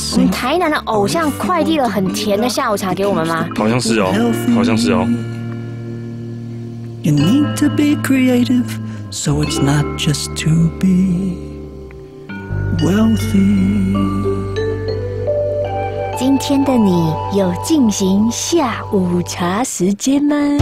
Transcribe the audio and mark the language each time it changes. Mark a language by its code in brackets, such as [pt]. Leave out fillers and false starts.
[zh] 台南的偶像快递了很甜的下午茶给我们吗？好像是哦，好像是哦。 [en] You need to be creative, so it's not just to be wealthy. [zh] 今天的你有进行下午茶时间吗？